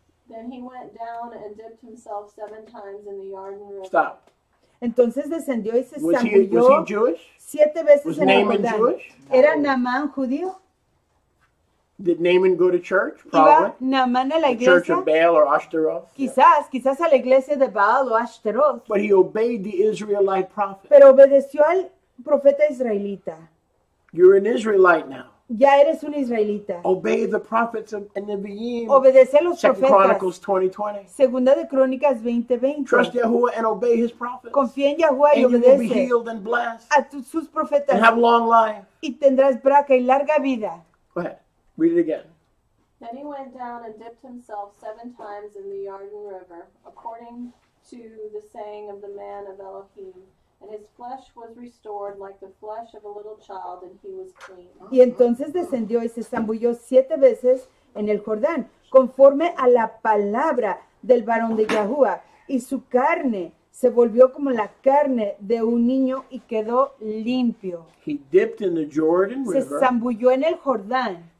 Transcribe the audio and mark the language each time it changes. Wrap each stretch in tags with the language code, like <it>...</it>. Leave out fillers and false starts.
<en>Then he went down and dipped himself seven times in the Jordan River. Stop.</en> <es>Entonces descendió y se zambulló siete veces en el Jordán. ¿Era Naamán judío?</es> <en>Did Naaman go to church? Probably.</en> <es>Naaman a la iglesia?</es> <en>Church of Baal or Ashtaroth?</en> <es>Quizás, quizás a la iglesia de Baal o Ashtaroth.</es> <en>But he obeyed the Israelite prophet.</en> <es>Pero obedeció al profeta israelita.</es> <en>You're an Israelite now.</en> <es>Ya eres un israelita.</es> <en>Obey the prophets of and the Nevi'im.</en> <es>Obedece a los</es> <en>Second</en> <es>profetas.</es> <en>Chronicles 20:20.</en> <es>Segunda de Crónicas 20:20.</es> <en>Trust Yahuwah and obey his prophets.</en> <es>Confía en Yahuwah</es> <en>and</en> <es>y obedece.</es> <en>And you will be healed and blessed.</en> <es>A sus profetas.</es> <en>And have long life.</en> <es>Y tendrás braca y larga vida.</es> <en>Go ahead. Read it again. Then he went down and dipped himself seven times in the Jordan River, according to the saying of the man of Elohim. And his flesh was restored like the flesh of a little child, and he was clean.</en> <es>Y entonces descendió y se zambulló siete veces en el Jordán, conforme a la palabra del varón de Yahuwah. Y su carne se volvió como la carne de un niño y quedó limpio.</es> <en>He dipped in the Jordan River.</en> <es>Se zambulló en el Jordán.</es>